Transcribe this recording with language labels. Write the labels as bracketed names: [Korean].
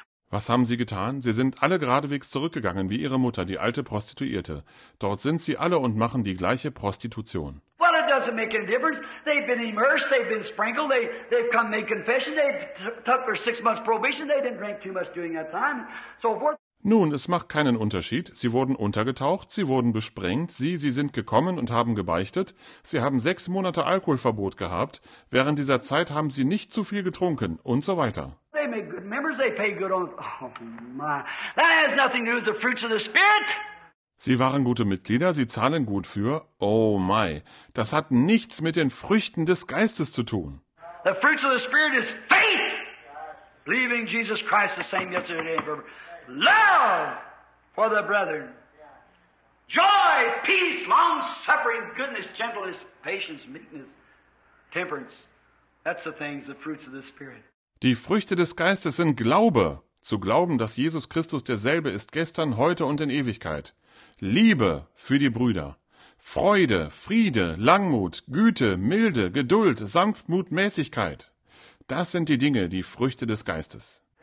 [German] Was haben sie getan? Sie sind alle geradewegs zurückgegangen, wie ihre Mutter, die alte Prostituierte. Dort sind sie alle und machen die gleiche Prostitution. [English] Well, it doesn't make any difference. They've been immersed, they've been sprinkled, they've come make confession, they've took their 6 months probation, they didn't drink too much during that time, so forth. [German] Nun, es macht keinen Unterschied. Sie wurden untergetaucht, sie wurden besprengt, sie sind gekommen und haben gebeichtet. Sie haben 6 Monate Alkoholverbot gehabt. Während dieser Zeit haben sie nicht zu viel getrunken und so weiter. [English] They make good members, they pay good on... Oh my, that has nothing to do with the fruits of the Spirit! [German] Sie waren gute Mitglieder, sie zahlen gut für... [English] Oh my, [German] das hat nichts mit den Früchten des Geistes zu tun. [English] The fruits of the Spirit is faith! Believing Jesus Christ the same yesterday and forever. Love for the brethren. Joy, peace, long-suffering, goodness, gentleness, patience, meekness, temperance. That's the things, the fruits of the Spirit. [German] Die Früchte des Geistes sind Glaube, zu glauben, dass Jesus Christus derselbe ist gestern, heute und in Ewigkeit. Liebe für die Brüder, Freude, Friede, Langmut, Güte, Milde, Geduld, Sanftmut, Mäßigkeit. Das sind die Dinge, die Früchte des Geistes.